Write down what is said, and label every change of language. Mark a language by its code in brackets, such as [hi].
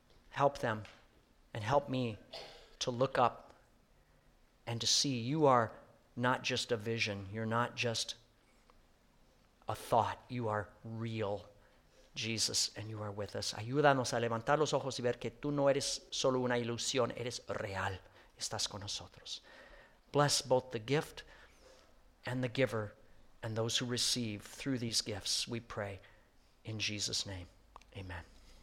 [en] Help them and help me to look up and to see you are not just a vision. You're not just a thought. You are real, Jesus, and you are with us. [es] Ayúdanos a levantar los ojos y ver que tú no eres solo una ilusión. Eres real. Estás con nosotros. [en] Bless both the gift and the giver and those who receive through these gifts, we pray in Jesus' name. Amen.